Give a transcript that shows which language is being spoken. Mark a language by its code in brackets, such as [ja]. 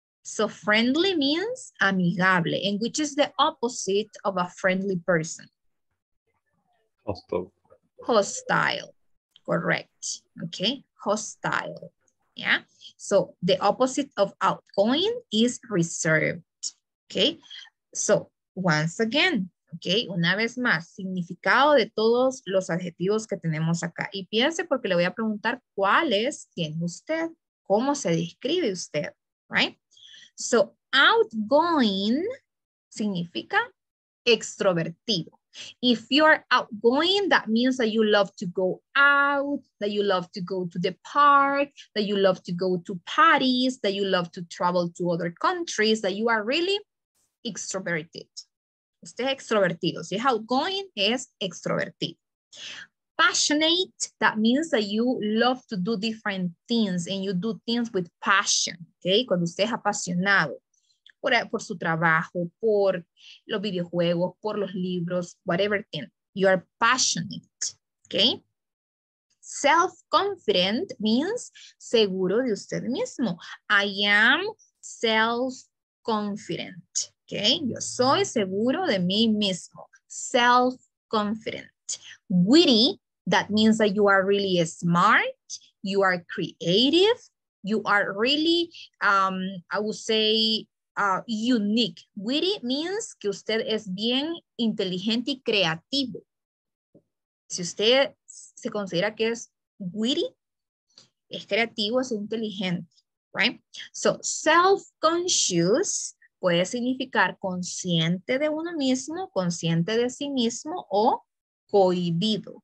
[en] So friendly means amigable, and which is the opposite of a friendly person? Hostile. Hostile, correct, okay? Hostile. Yeah, so the opposite of outgoing is reserved, okay? So, once again, [es] okay, una vez más, significado de todos los adjetivos que tenemos acá. Y piense porque le voy a preguntar cuáles tiene usted, cómo se describe usted, right? So, outgoing significa extrovertido. [en] If you are outgoing, that means that you love to go out, that you love to go to the park, that you love to go to parties, that you love to travel to other countries, that you are really extroverted. [es] Usted es extrovertido. Si es outgoing, es extrovertido. [en] Passionate, that means that you love to do different things and you do things with passion. [es] Okay? Cuando usted es apasionado. Por su trabajo, por los videojuegos, por los libros, [en] whatever thing. You are passionate, okay? Self-confident means [es] seguro de usted mismo. [en] I am self-confident, okay? [es] Yo soy seguro de mí mismo. Self-confident. [en] Witty, that means that you are really smart, you are creative, you are really, I would say, unique. Witty means [es] que usted es bien inteligente y creativo. Si usted se considera que es witty, es creativo, es inteligente, right? [en] So, self-conscious [es] puede significar consciente de uno mismo, consciente de sí mismo o cohibido.